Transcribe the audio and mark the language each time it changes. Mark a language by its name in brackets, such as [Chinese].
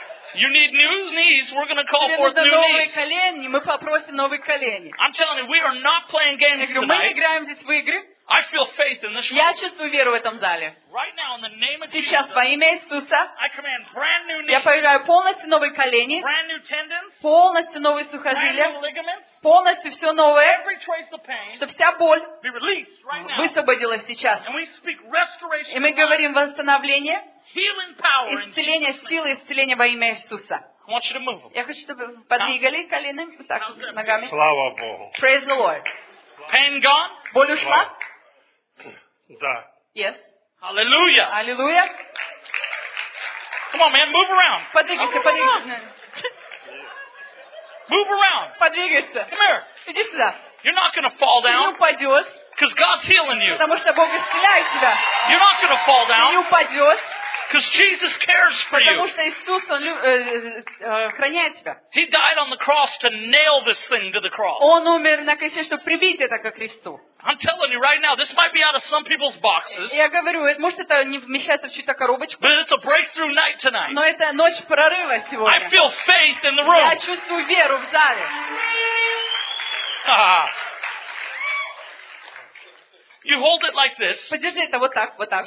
[English] You need new knees, we're going to call forth new knees. [Russian] Тебе нужны новые колени, мы попросим новые колени. [English] I'm telling you, we are not playing games tonight. [Russian] Мы не играем здесь в игры. [English] I feel faith in this room. [Russian] Я чувствую веру в этом зале. [English] Right now, in the name of Jesus, [Russian] сейчас во имя Иисуса, [English] I command brand new knees. [Russian] Я повелеваю полностью новые колени, [English] brand new tendons, [Russian] полностью новые сухожилия, [English] brand new ligaments, [Russian] полностью все новое, [English] every trace of pain, [Russian] чтобы вся боль [English] be released right now. [Russian] Высвободилась сейчас. [English] And we speak restoration. [Russian] И мы говорим восстановление, [English] healing power, [Russian] исцеление, силы исцеления во имя Иисуса. [English] I want you to move them. [Russian] Я хочу, чтобы вы подвигали коленями, вот так, ногами. Слава Богу. [English] Praise the Lord. Pain gone? [Russian] Боль ушла? Да. [English] Yes. Hallelujah. Hallelujah. Come on, man, move around. [Russian] Подвигайся, подвигайся. [English] Move around. [Russian] Подвигайся. [English] Come here. [Russian] Иди сюда. [English] You're not going to fall down. [Russian] Ты не упадешь. [English] Because God's healing you. [Russian] Потому что Бог исцеляет тебя. [English] You're not going to fall down. [Russian] Ты не упадешь. [English] Because Jesus cares for you. [Russian] Потому что Иисус, он храняет тебя. [English] He died on the cross to nail this thing to the cross. [Russian] Он умер на кресте, чтобы прибить это к кресту. [English] I'm telling you right now, this might be out of some people's boxes. [Russian] Я говорю, может это не вмещается в чью-то коробочку. [English] But it's a breakthrough night tonight. [Russian] Но это ночь прорыва сегодня. [English] I feel faith in the room. [Russian] Я чувствую веру в зале. [English] You hold it like this. [Russian] Подержи это вот так, вот так.